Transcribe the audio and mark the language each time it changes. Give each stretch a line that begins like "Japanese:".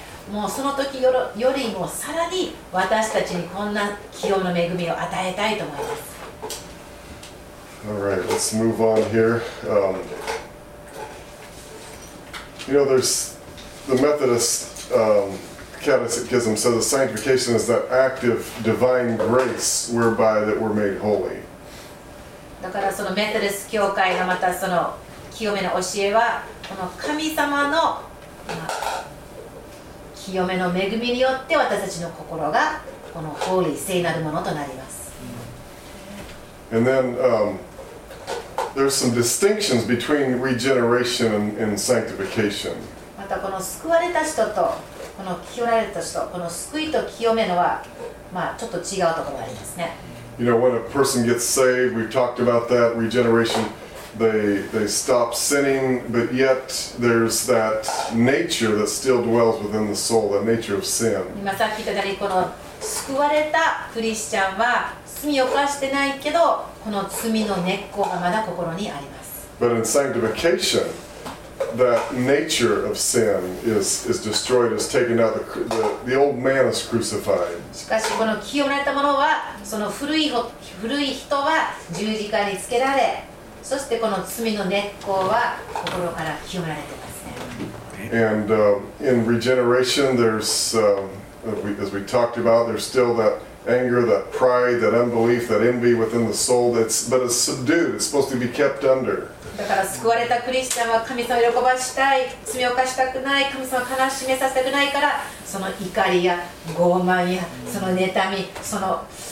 Japanese: もうその時よりもさらに私たちにこんな気温の恵みを与えたいと思います。
English: All right, let's move on here. You know, there's the Methodist Catechism says that sanctification is that active divine grace whereby that we're made holy.
Japanese: だからそのメトデス教会がまたその清めの教えはこの神様の清めの恵みによって私たちの心がこの holy、聖なるものとなります。
English: And then, there's some distinctions between regeneration and sanctification.
Japanese: またこの救われた人とこの清められた人、この救いと清めのはまあちょっと違うところがありますね。
English: You know, when a person gets saved, we've talked about that regeneration. They stop sinning, but yet there's that nature that still dwells within the soul, that nature of sin.
Japanese: 今さっき言ったように、この救われたクリスチャンは罪を犯してないけど、この罪の根っこがまだ心にあります。
English: But in sanctification, that nature of sin is destroyed, is taken out, the old man is crucified.
Japanese: しかしこの清められたものは、その古い人は十字架につけられ、そしてこの罪の根っこは心から清められていますね。
English: And in regeneration, there's, as we talked about, there's still that anger, that pride, that unbelief, that envy within the soul that's, but it's subdued. It's supposed to be kept under.
Japanese: だから救われたクリスチャンは神様を喜ばしたい、罪を犯したくない、神様を悲しめさせたくないから、その怒りや傲慢やその妬み、その。